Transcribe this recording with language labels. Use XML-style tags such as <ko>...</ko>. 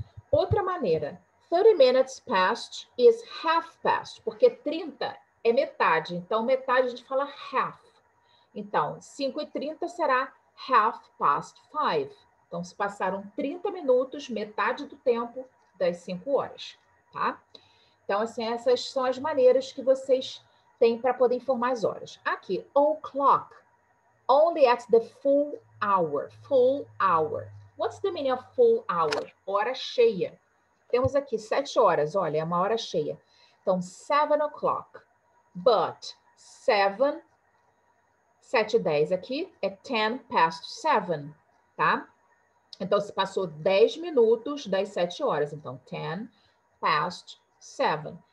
<pt>Outra maneira,</pt> <en>30 minutes past is half past,</en> <pt>porque 30 é metade, então, metade a gente fala half, então, 5:30 será</pt> <en>half past five.</en> <pt>Então, se passaram 30 minutos, metade do tempo das 5 horas, tá? Então, assim, essas são as maneiras que vocês têm para poder informar as horas.</pt> <en>Aqui, o'clock, only at the full hour, full hour. What's the meaning of full hour?</en> <pt>Hora cheia. Temos aqui 7 horas, olha, é uma hora cheia. Então, 7</pt> <en>o'clock, but</en> <pt>7:10 aqui é</pt> <en>10 past 7,</en> <pt>tá? Então, se passou 10 minutos das 7 horas. Então,</pt> <en>10 past 7.</en>